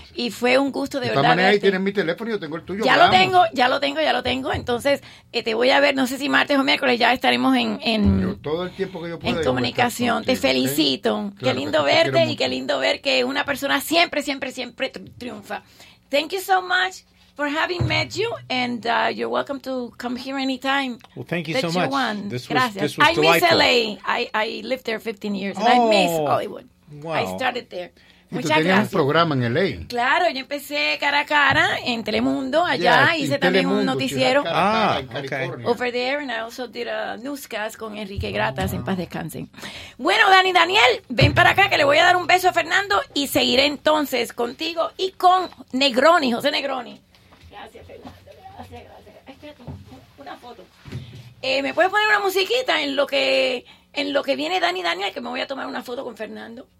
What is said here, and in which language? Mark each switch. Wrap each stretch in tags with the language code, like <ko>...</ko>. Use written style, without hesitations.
<es>Y fue un gusto de verdad. De esta manera ahí tienes mi teléfono y yo tengo el tuyo. Ya lo tengo, ya lo tengo, ya lo tengo. Entonces, te voy a ver, no sé si martes o miércoles, ya estaremos en todo el tiempo que yo pueda. En comunicación. Te felicito. Qué lindo verte y qué lindo ver que una persona siempre, siempre, siempre triunfa.</es> <en>Thank you so much for having met you, and you're welcome to come here anytime. Well, thank you so much. This was delightful. I miss LA. I lived there 15 years, and I miss Hollywood. Wow. I started there.</en> <es>Y tú tenías un programa en LA. Claro, yo empecé cara a cara en Telemundo, allá hice también Telemundo, un noticiero. Cara, en California.</es> <en>Over there, and I also did a newscast</en> <es>con Enrique Gratas, en paz descansen. Bueno, Dani Daniel, ven para acá que le voy a dar un beso a Fernando y seguiré entonces contigo y con Negroni, José Negroni. Gracias, Fernando. Gracias. Espérate, una foto. ¿Me puedes poner una musiquita en lo que viene Dani Daniel, que me voy a tomar una foto con Fernando?</es>